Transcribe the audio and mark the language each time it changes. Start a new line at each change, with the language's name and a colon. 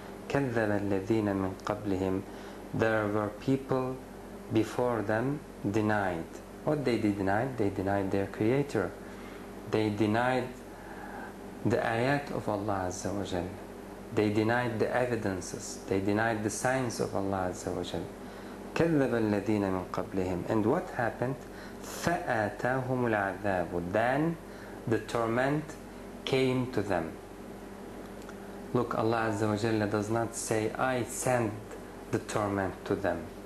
Arabic: كَذَّبَ الَّذِينَ مِنْ قَبْلِهِمْ,
English: there were people before them denied. What they did denied? They denied their creator. They denied the ayat of Allah Azza wa Jalla. They denied the evidences. They denied the signs of Allah Azza wa Jalla.
Arabic: كَذَّبَ الَّذِينَ مِنْ قَبْلِهِمْ,
English: and what happened?
Arabic: فَآتَاهُمُ الْعَذَابُ,
English: then the torment came to them. Look, Allah Azza wa Jalla does not say, I send the torment to them.